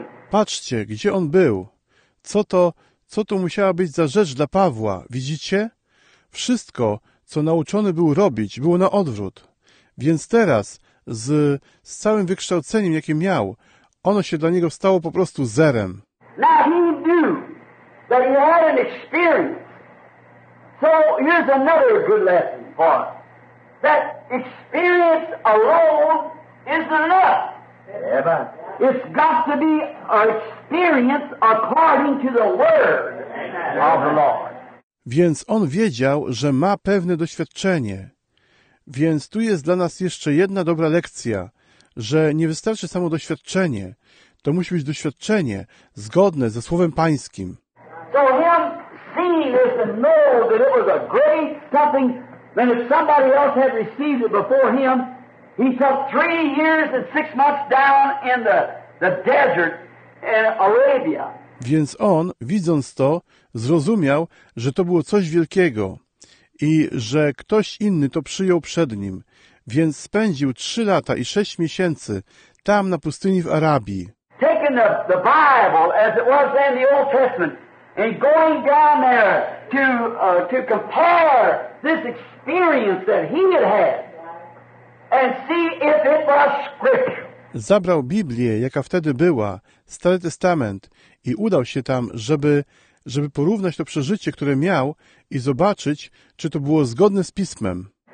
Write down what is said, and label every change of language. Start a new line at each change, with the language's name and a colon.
Polish: Patrzcie, gdzie on był. Co to musiała być za rzecz dla Pawła, widzicie? Wszystko, co nauczony był robić, było na odwrót. Więc teraz, z całym wykształceniem, jakie miał, ono się dla niego stało po prostu zerem.
English: Now he knew that he had an experience. So here's another good lesson for us. That experience alone is enough. Amen. It's got to be an experience according to the word of the Lord.
Polish: Więc on wiedział, że ma pewne doświadczenie. Więc tu jest dla nas jeszcze jedna dobra lekcja, że nie wystarczy samo doświadczenie. To musi być doświadczenie zgodne ze Słowem Pańskim.
English: So him seeing this and know that it was a great something, then if somebody else had received it before him, he took 3 years and 6 months down in the desert in Arabia.
Polish: Więc on, widząc to, zrozumiał, że to było coś wielkiego i że ktoś inny to przyjął przed nim, więc spędził 3 lata i 6 miesięcy tam na pustyni w Arabii.
English: Taking the Bible as it was in the Old Testament and going down there to compare this experience that he had had and see if it was scripture.
Polish: Zabrał Biblię, jaka wtedy była, Stary Testament, i udał się tam, żeby porównać to przeżycie, które miał, i zobaczyć, czy to było zgodne z Pismem.